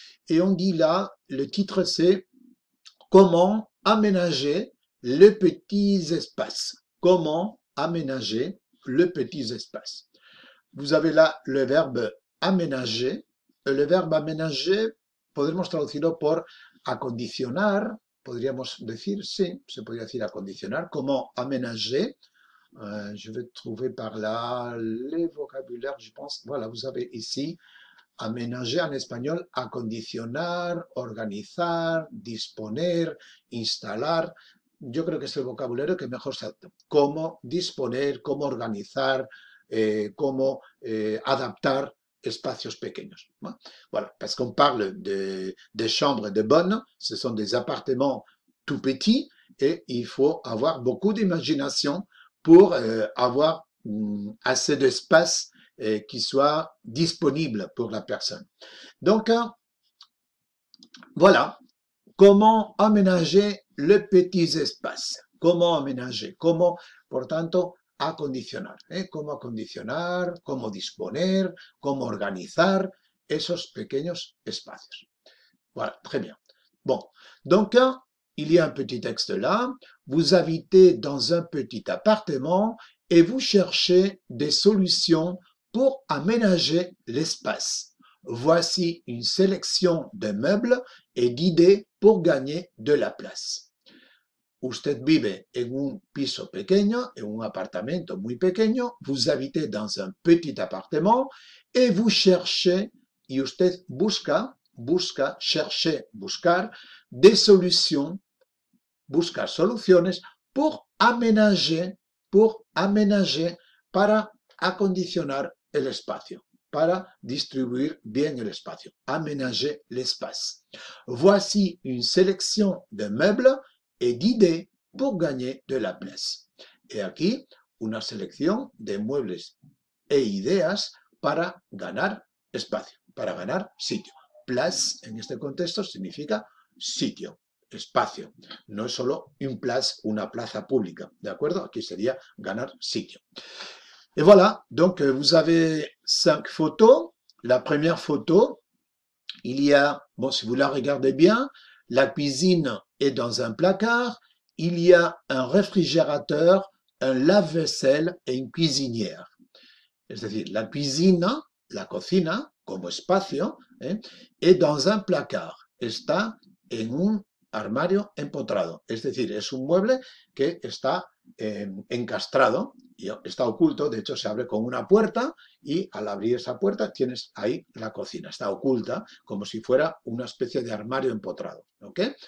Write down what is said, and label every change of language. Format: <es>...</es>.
<fr>Et on dit là, le titre c'est « Comment aménager les petits espaces ?» Comment aménager les petits espaces ? Vous avez là le verbe « aménager ». Le verbe « aménager »,</fr> <es>podríamos traducirlo por « acondicionar ». Podríamos decir, sí, se podría decir « acondicionar ».</es> <fr>Comment aménager ? Je vais trouver par là les vocabulaires, je pense. Voilà, vous avez ici. Aménager en espagnol,</fr> <es>acondicionar, organizar, disponer, instalar. Yo creo que es el vocabulario que mejor se adapta. Cómo disponer, cómo organizar, cómo adaptar espacios pequeños.</es> <fr>Voilà, parce qu'on parle de chambres de bonne, ce sont des appartements tout petits et il faut avoir beaucoup d'imagination pour avoir assez d'espace et qui soit disponible pour la personne. Donc, voilà, comment aménager les petits espaces. Comment aménager, comment,</fr> <es>por tanto, acondicionar.</es> <fr>Comment acondicionar, comment disponer, comment organizar</fr> <es>esos pequeños espacios.</es> <fr>Voilà, très bien. Bon, donc, il y a un petit texte là. Vous habitez dans un petit appartement et vous cherchez des solutions pour aménager l'espace. Voici une sélection de meubles et d'idées pour gagner de la place.</fr> <es>Usted vive en un piso pequeño, en un apartamento muy pequeño.</es> <fr>Vous habitez dans un petit appartement et vous cherchez,</fr> <es>y usted busca, busca,</es> <fr>chercher, buscar, des solutions,</fr> <es>buscar soluciones,</es> <fr>pour aménager,</fr> <es>para acondicionar el espacio,</es> <fr>para distribuir bien el espacio, aménager l'espace. Voici une sélection de meubles et d'idées pour gagner de la place.</fr> <es>Et aquí, una selección de muebles e ideas para ganar espacio, para ganar sitio. Place, en este contexto, significa sitio, espacio. No es solo un place, una plaza pública, ¿de acuerdo? Aquí sería ganar sitio.</es> <fr>Et voilà, donc vous avez 5 photos. La première photo, il y a, bon, si vous la regardez bien, la cuisine est dans un placard, il y a un réfrigérateur, un lave-vaisselle et une cuisinière. C'est-à-dire, la cuisine,</fr> <es>la cocina, como espacio,</es> <fr>est dans un placard.</fr> <es>Está en un armario empotrado. Es decir, es un mueble que está encastrado Y está oculto, de hecho se abre con una puerta y al abrir esa puerta tienes ahí la cocina. Está oculta como si fuera una especie de armario empotrado, ¿ok?</es>